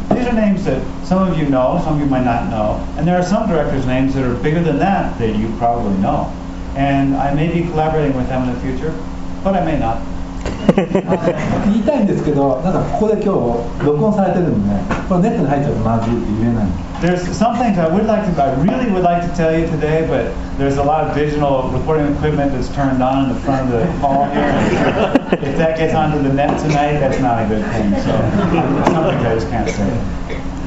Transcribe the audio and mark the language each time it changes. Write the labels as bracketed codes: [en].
[en] These are names that some of you know, some of you might not know. And there are some directors' names that are bigger than that that you probably know. And I may be collaborating with them in the future, but I may not. [ja] 言いたいんですけど、なんかここで今日録音されてるんで、これネットに入っちゃうとまずいって言えない。 [en] There's some things I really would like to tell you today, but there's a lot of digital recording equipment that's turned on in the front of the hall here. If that gets onto the net tonight, that's not a good thing. So something I just can't say.